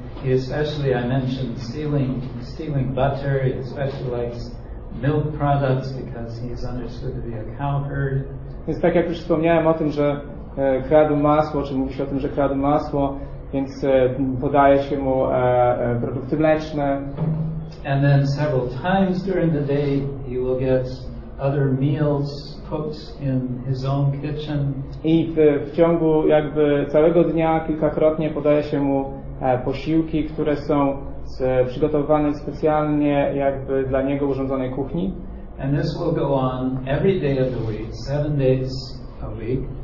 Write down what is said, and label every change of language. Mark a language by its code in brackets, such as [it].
[en] Especially I mentioned stealing butter, especially like milk products, because he is understood to be a cowherd. [pl] Więc tak jak już wspomniałem o tym, że kradł masło, czy mówi się o tym, że kradł masło, więc podaje się mu produkty mleczne. [en] And then several times during the day he will get other meals cooked in his own kitchen. [pl] I w ciągu jakby całego dnia kilkakrotnie podaje się mu posiłki, które są przygotowywane specjalnie jakby dla niego urządzonej kuchni. [en] And this will go on every day of the week, 7 days a week.